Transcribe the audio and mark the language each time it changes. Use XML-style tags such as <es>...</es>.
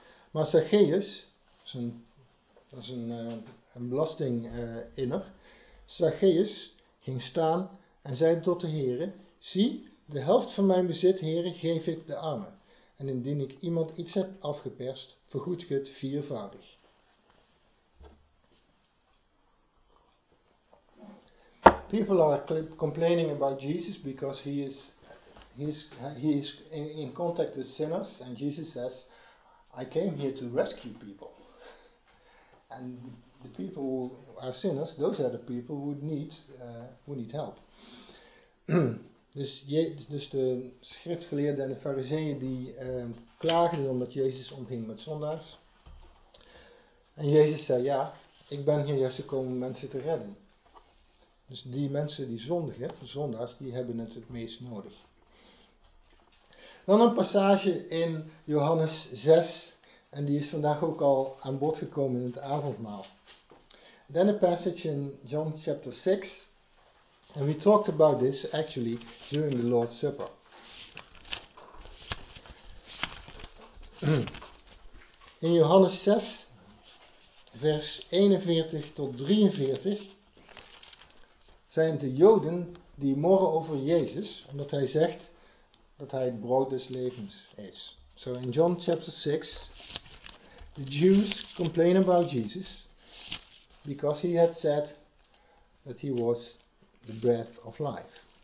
<nl>Maar Zacchaeus, dat is een belastinginner, Zacchaeus ging staan en zei tot de Heere: zie, de helft van mijn bezit, Heere, geef ik de armen. En indien ik iemand iets heb afgeperst, vergoed ik het viervoudig.</nl> <en>People are complaining about Jesus because he is in contact with sinners, and Jesus says, I came here to rescue people. And the people who are sinners, those are the people who need help.</en> <nl>Dus de schriftgeleerden en de fariseeën die klaagden omdat Jezus omging met zondaars. En Jezus zei: ja, ik ben hier juist gekomen om mensen te redden. Dus die mensen die zondigen, de zondaars, die hebben het meest nodig. Dan een passage in Johannes 6. En die is vandaag ook al aan bod gekomen in het avondmaal.</nl> <en>Then a passage in John chapter 6. And we talked about this actually during the Lord's Supper.</en> <nl>In Johannes 6, vers 41 tot 43... zijn de Joden die morren over Jezus, omdat hij zegt dat hij het brood des levens is.</nl> <en>So in John chapter 6, the Jews complain about Jesus, because he had said that he was the bread of life.</en>